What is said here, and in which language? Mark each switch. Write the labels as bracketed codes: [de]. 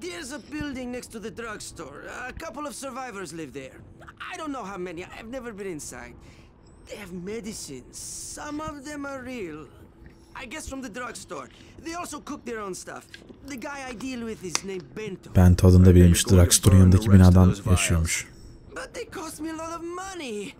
[en] There's a building next to the drugstore. A couple of survivors live there. I don't know how many. I've never been inside. They have medicines. Some of them are real. I guess from the drugstore. They also cook their own stuff. The guy I deal with is named Bento. [tr] Bento adında biriymiş. Drugstore'un yanındaki binadan yaşıyormuş. [en] But they cost me a lot of money.